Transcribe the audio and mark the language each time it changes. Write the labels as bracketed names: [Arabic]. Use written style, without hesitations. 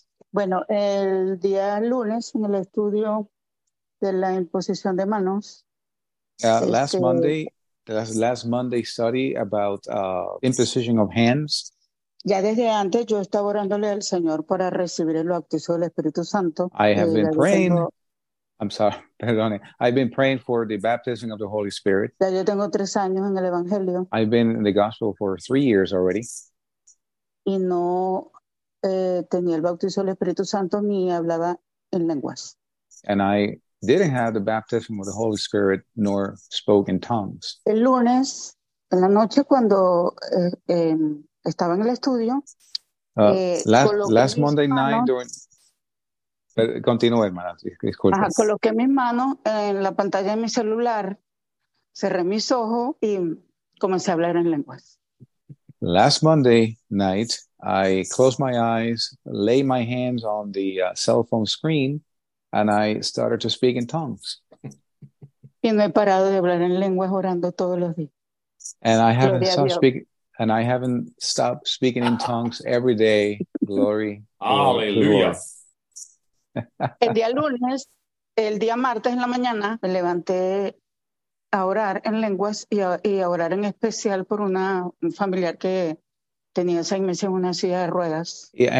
[Spanish] Bueno, el día lunes en el estudio de la imposición de manos. [English] Last Monday study about imposition of hands. [Spanish] Ya desde antes yo estaba orándole al Señor para recibir el bautizo del Espíritu Santo. [English] I've been praying for the baptism of the Holy Spirit. [Spanish] Ya yo tengo 3 años en el Evangelio. [English] I've been in the gospel for 3 years already. [Spanish] Y no tenía el bautizo del Espíritu Santo ni hablaba en lenguas. [English] And I didn't have the baptism of the Holy Spirit nor spoke in tongues. [Spanish] El lunes, en la noche cuando estaba en el estudio, [English] last Monday manos, night during... [Spanish] Continúa, hermana, disculpe. Coloqué mis manos en la pantalla de mi celular, cerré mis ojos y comencé a hablar en lenguas. [English] Last Monday night, I closed my eyes, lay my hands on the cell phone screen, and I started to speak in tongues. [Spanish] Y no he parado de hablar en lenguas orando todos los días. [English] And I haven't stopped speaking in tongues every day. Glory. Hallelujah. [Spanish] El día lunes, el día martes en la mañana, me levanté a orar en lenguas y a orar en especial por una familiar que tenía 6 meses en una silla de ruedas.